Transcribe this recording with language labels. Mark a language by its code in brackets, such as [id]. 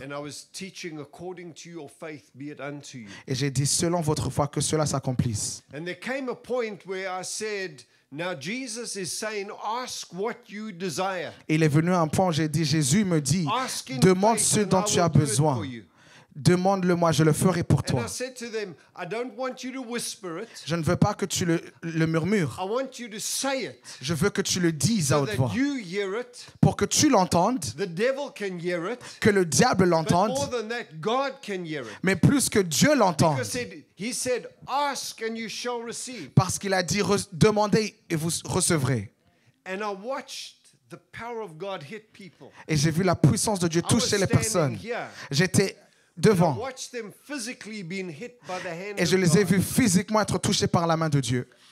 [en] And I was teaching according to your faith, be it unto you. [fr] Et j'ai dit selon votre foi que cela s'accomplisse. [en] And there came a point where I said, now Jesus is saying, ask what you desire. [fr] Il est venu un point où j'ai dit, Jésus me dit, [en] ask in [fr] demande [en] faith [fr] ce dont tu as besoin. Demande-le-moi, je le ferai pour toi. [en] And I said to them, I don't want you to whisper it. [fr] Je ne veux pas que tu le murmures. [en] I want you to say it. [fr] Je veux que tu le dises [en] so [fr] à haute voix. [en] That you hear it. [fr] Pour que tu l'entendes. [en] The devil can hear it. [fr] Que le diable l'entende. [en] But more than that, God can hear it. [fr] Mais plus que Dieu l'entende. [en] Because he said, ask and you shall receive. [fr] Parce qu'il a dit, demandez et vous recevrez. [en] And I watched the power of God hit people. [fr] Et j'ai vu la puissance de Dieu toucher les personnes. J'étais devant. Et je les ai vus physiquement être touchés par la main de Dieu.